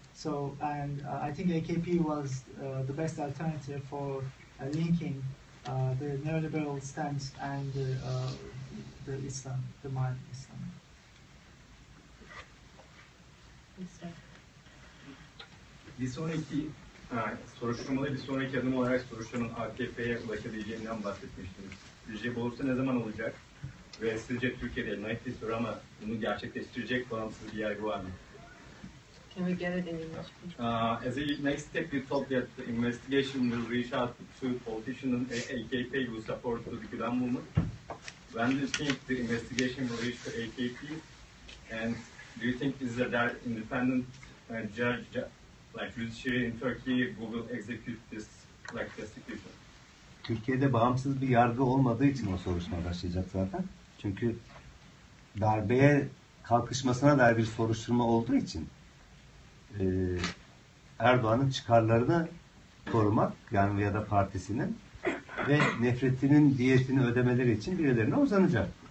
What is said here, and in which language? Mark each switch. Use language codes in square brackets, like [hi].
[en] So, and I think AKP was the best alternative for linking the neoliberal stance and the Islam, the modern Islam. [tr] Bir sonraki soruşturmada bir sonraki adım olarak soruşturmanın AKP'ye ulaşabileceğinden bahsetmiştiniz. Türkiye borsa ne zaman olacak? Ve sizce Türkiye'de naif bir soru ama bunu gerçekleştirecek bağımsız bir yargı var mı? [en] Can we get it in English? As a next step, we thought that the investigation will reach out to politicians and AKP who support the Gulen movement. When do you think the investigation will reach the AKP? And do you think is there that independent judge, like judiciary in Turkey, who will execute this like prosecution? [tr] Türkiye'de bağımsız bir yargı olmadığı için o soruşturma başlayacak zaten. Çünkü darbeye kalkışmasına dair bir soruşturma olduğu için Erdoğan'ın çıkarlarını korumak, yani ya da partisinin ve nefretinin diyetini ödemeleri için birilerine uzanacak.